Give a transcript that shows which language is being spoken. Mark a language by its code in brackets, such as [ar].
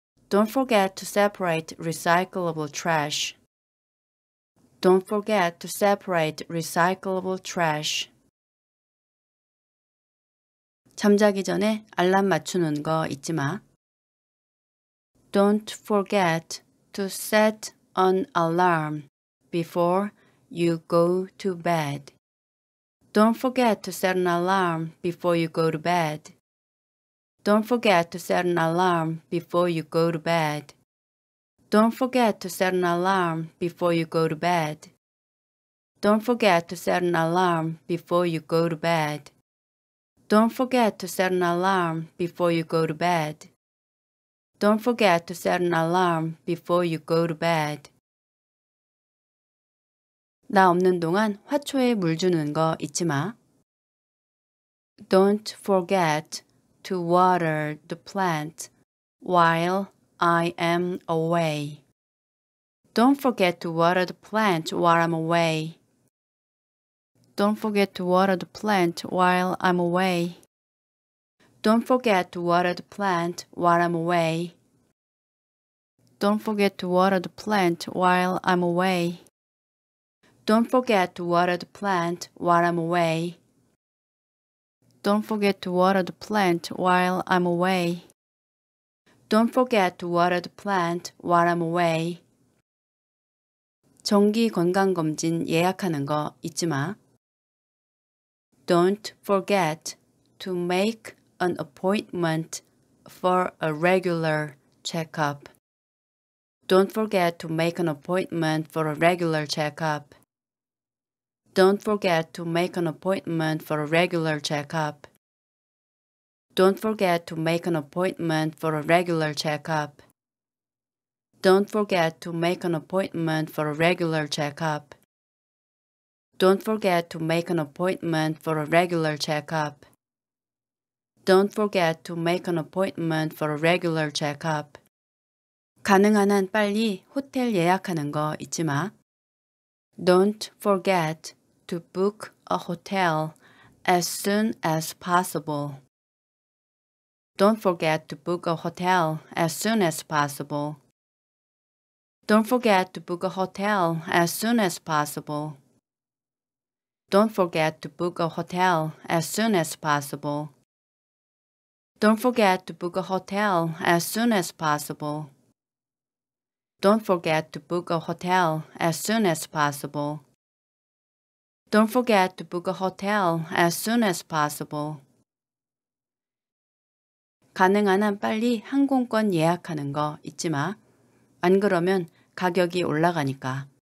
[en] Don't forget to separate recyclable trash. Don't forget to separate recyclable trash. [ko] 잠자기 전에 알람 맞추는 거 잊지 마. [en] Don't forget to set an alarm before you go to bed. Don't forget to set an alarm before you go to bed. Don't forget to set an alarm before you go to bed. Don't forget to set an alarm before you go to bed. Don't forget to set an alarm before you go to bed. Don't forget to set an alarm before you go to bed. Don't forget to set an alarm before you go to bed. [ko] 나 없는 동안 화초에 물 주는 거 잊지 마. [en] Don't forget to water the plant while I am away. Don't forget to water the plant while I'm away. Don't forget to water the plant while I'm away. Don't forget to water the plant while I'm away. Don't forget to water the plant while I'm away. Don't forget to water the plant while I'm away. Don't forget to water the plant while I'm away. Don't forget to water the plant while I'm away. [ko] 정기 건강검진 예약하는 거 잊지 마. [en] Don't forget to make an appointment for a regular checkup. Don't forget to make an appointment for a regular checkup. Don't forget to make an appointment for a regular checkup. Don't forget to make an appointment for a regular checkup. Don't forget to make an appointment for a regular checkup. Don't forget to make an appointment for a regular checkup. Don't forget to make an appointment for a regular checkup. [ko] 가능한 한 빨리 호텔 예약하는 거 잊지 마. [en] Don't forget to book a hotel as soon as possible. Don't forget to book a hotel as soon as possible. Don't forget to book a hotel as soon as possible. Don't forget to book a hotel as soon as possible. Don't forget to book a hotel as soon as possible. Don't forget to book a hotel as soon as possible. Don't forget to book a hotel as soon as possible. [ko] 가능한 한 빨리 항공권 예약하는 거 잊지 마. 안 그러면 가격이 올라가니까.